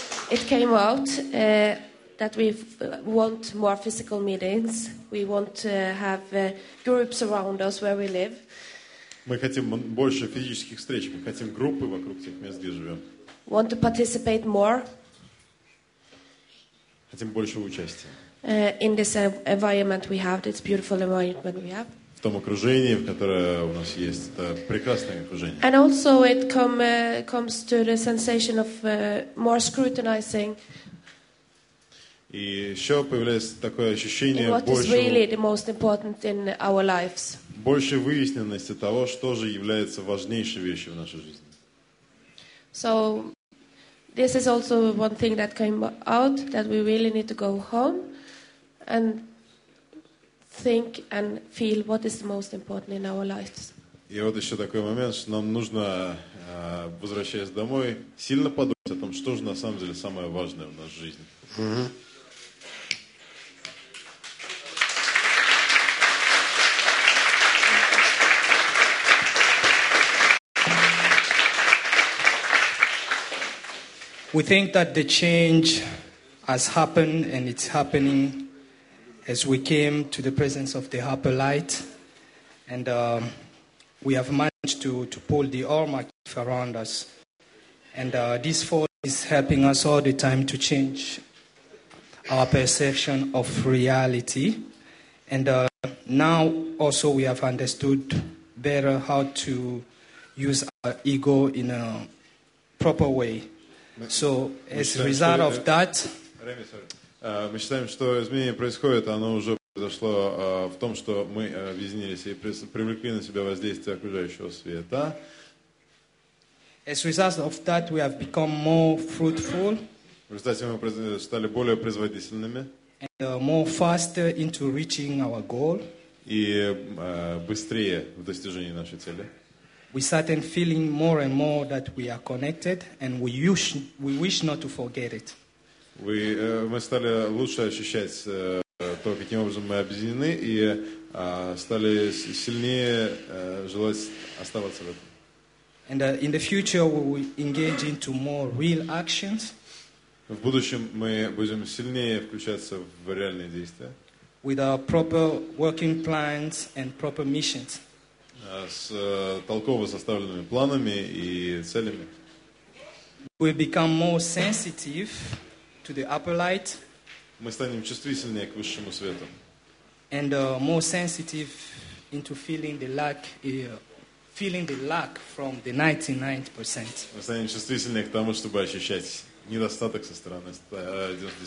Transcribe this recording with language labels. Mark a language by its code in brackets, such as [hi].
[en] It came out that we want more physical meetings. We want to have groups around us where we live. [ru] Мы хотим больше физических встреч. Мы хотим группы вокруг тех мест, где живем. [en] Want to participate more. [ru] Хотим большего участия. [en] In this environment we have, this beautiful environment we have. [ru] В том окружении, в которое у нас есть, это прекрасное окружение. [en] And also it comes to the sensation of more scrutinizing. [ru] И еще появляется такое ощущение [en] what [ru] большего, [en] is really the most important in our lives. [ru] Больше выясненности того, что же является важнейшей вещью в нашей жизни. [en] So this is also one thing that came out that we really need to go home and think and feel what is the most important in our lives. [ru] И вот еще такой момент, что нам нужно, возвращаясь домой, сильно подумать о том, что же на самом деле самое важное в нашей жизни. [en] We think that the change has happened and it's happening as we came to the presence of the upper light, and we have managed to pull the Almighty around us, and this force is helping us all the time to change our perception of reality, and now also we have understood better how to use our ego in a proper way. So as a result of that, [ru] мы считаем, что изменение происходит, оно уже произошло в том, что мы объединились и привлекли на себя воздействие окружающего света. [en] As a result of that, we have become more fruitful. [ru] В результате мы стали более производительными. [en] And more faster into reaching our goal. [ru] И быстрее в достижении нашей цели. [en] We started feeling more and more that we are connected, and we wish not to forget it. [ru] Мы стали лучше ощущать то, каким образом мы объединены, и стали сильнее желать оставаться в этом. [en] And in the future we will engage into more real actions. [ru] В будущем мы будем сильнее включаться в реальные действия. [en] With our proper working plans and proper missions. [ru] С толково составленными планами и целями. [en] We become more sensitive to the upper light. [ru] Мы станем чувствительнее к высшему свету. [en] And more sensitive into feeling the lack from the 99%. [ru] Мы станем чувствительнее к тому, чтобы ощущать недостаток со стороны 90%.